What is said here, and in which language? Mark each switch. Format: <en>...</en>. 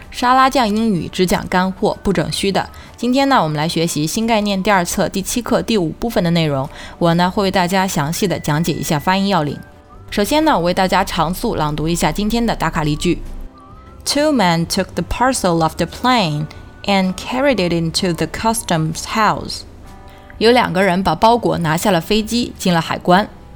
<zh>沙拉酱英语只讲干货，不整虚的。今天呢，我们来学习新概念第二册第七课第五部分的内容，我呢会为大家详细的讲解一下发音要领。首先呢，我为大家长速朗读一下今天的打卡例句。</zh> <en>Two men took the parcel of the plane and carried it into the customs house.</en> <zh>有两个人把包裹拿下了飞机，进了海关。</zh>